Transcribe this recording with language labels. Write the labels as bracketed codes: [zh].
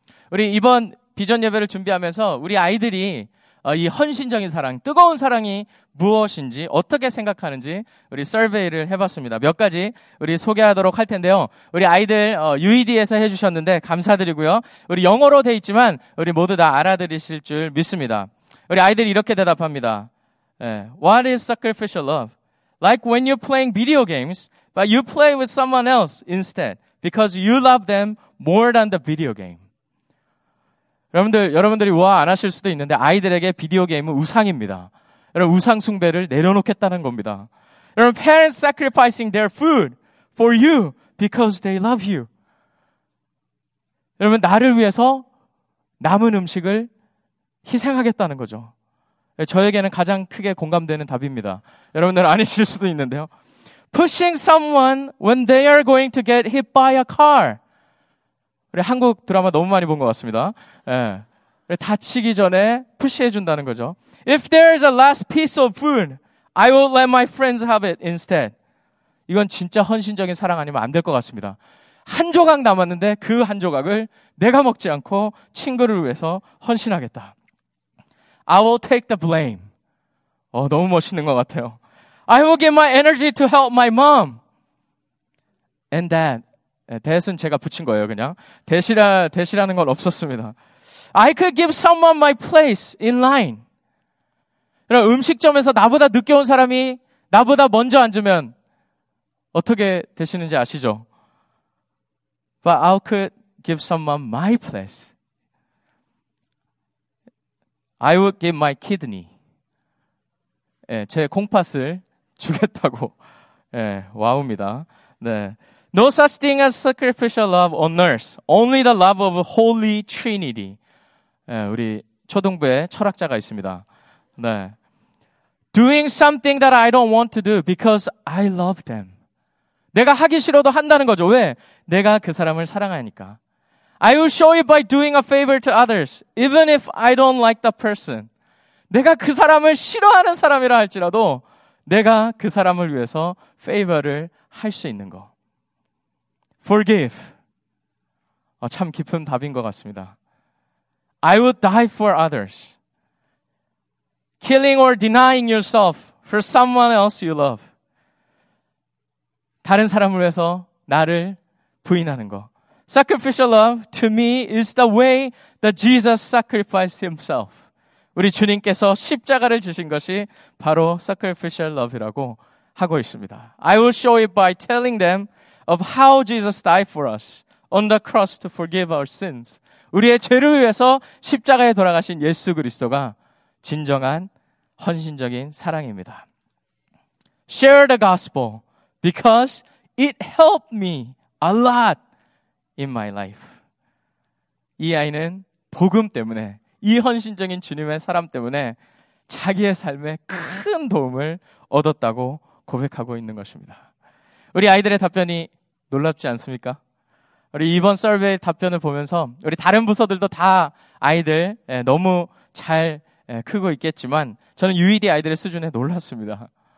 [ko] 우리 이번 비전 예배를 준비하면서 우리 아이들이 이 헌신적인 사랑, 뜨거운 사랑이 무엇인지 어떻게 생각하는지 우리 서베이를 해봤습니다. 몇 가지 우리 소개하도록 할 텐데요. 우리 아이들 UED에서 해주셨는데 감사드리고요. 우리 영어로 돼 있지만 우리 모두 다 알아들으실 줄 믿습니다. 우리 아이들이 이렇게 대답합니다. [en] What is sacrificial love? Like when you're playing video games, but you play with someone else instead because you love them more than the video game. [ko] 여러분들이 우아 안 하실 수도 있는데 아이들에게 비디오 게임은 우상입니다. 여러분 우상 숭배를 내려놓겠다는 겁니다. [en] 여러분 parents sacrificing their food for you because they love you. [ko] 여러분 나를 위해서 남은 음식을 희생하겠다는 거죠. 저에게는 가장 크게 공감되는 답입니다. 여러분들 아니실 수도 있는데요. [en] Pushing someone when they are going to get hit by a car. [ko] 우리 한국 드라마 너무 많이 본 것 같습니다. 예. 다치기 전에 푸시해 준다는 거죠. [en] If there is a last piece of food, I will let my friends have it instead. [ko] 이건 진짜 헌신적인 사랑 아니면 안 될 것 같습니다. 한 조각 남았는데 그 한 조각을 내가 먹지 않고 친구를 위해서 헌신하겠다. [en] I will take the blame. [ko] 너무 멋있는 것 같아요. [en] I will give my energy to help my mom. And dad. [ko] That은 제가 붙인 거예요, 그냥. 대시라는 건 없었습니다. [en] I could give someone my place in line. [ko] 그럼 음식점에서 나보다 늦게 온 사람이 나보다 먼저 앉으면 어떻게 되시는지 아시죠? [en] But I could give someone my place. I would give my kidney. [ko] 예, 제 콩팥을 주겠다고. 예, 와우입니다. 네. [en] No such thing as sacrificial love on earth. Only the love of Holy Trinity. [ko] 예, 우리 초등부에 철학자가 있습니다. 네. [en] Doing something that I don't want to do because I love them. [ko] 내가 하기 싫어도 한다는 거죠. 왜? 내가 그 사람을 사랑하니까. [en] I will show it by doing a favor to others, even if I don't like the person. [ko] 내가 그 사람을 싫어하는 사람이라 할지라도 내가 그 사람을 위해서 favor를 할 수 있는 거. [en] Forgive. [ko] 참 깊은 답인 것 같습니다. [en] I would die for others. Killing or denying yourself for someone else you love. [ko] 다른 사람을 위해서 나를 부인하는 거. [en] Sacrificial love to me is the way that Jesus sacrificed himself. [ko] 우리 주님께서 십자가를 지신 것이 바로 sacrificial love이라고 하고 있습니다. [en] I will show it by telling them of how Jesus died for us, on the cross to forgive our sins. [ko] 우리의 죄를 위해서 십자가에 돌아가신 예수 그리스도가 진정한 헌신적인 사랑입니다. [en] Share the gospel because it helped me a lot in my life. [ko] 이 아이는 복음 때문에, 이 헌신적인 주님의 사람 때문에 자기의 삶에 큰 도움을 얻었다고 고백하고 있는 것입니다. 우리 아이들의 답변이 놀랍지 않습니까? 우리 이번 서베이 답변을 보면서 우리 다른 부서들도 다 아이들 너무 잘 크고 있겠지만 저는 유일히 아이들의 수준에 놀랐습니다.